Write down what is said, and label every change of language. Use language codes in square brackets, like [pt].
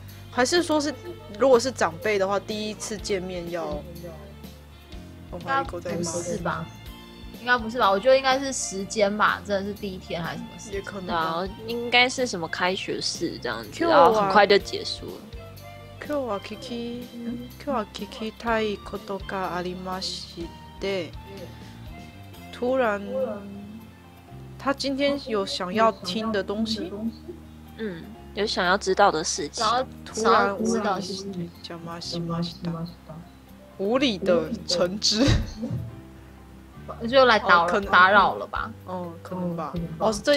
[zh] 还是说是，如果是长辈的话，第一次见面要，应该不是吧？应该不是吧？我觉得应该是时间吧，真的是第一天还是什么事？也可能啊，应该是什么开学式这样子，然后很快就结束了。 [ja] 今日は聞き、今日は聞きたいことがありまして、突然。 [zh] 他今天有想要听的东西，嗯，有想要知道的事情，突然知道什么？什么什么？无理的橙汁，就来打扰、哦、打扰了吧？哦，可能吧。哦，这